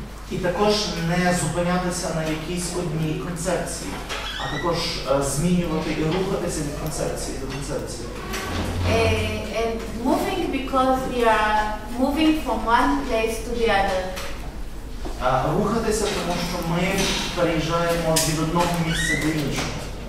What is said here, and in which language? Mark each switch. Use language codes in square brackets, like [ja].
[uk] І також не зупинятися на якійсь одній концепції, а також змінювати і рухатися від концепції до концепції. [en] And moving because we are moving from one place to the other. [uk] Рухатися, тому що ми переїжджаємо від одного місця до іншого.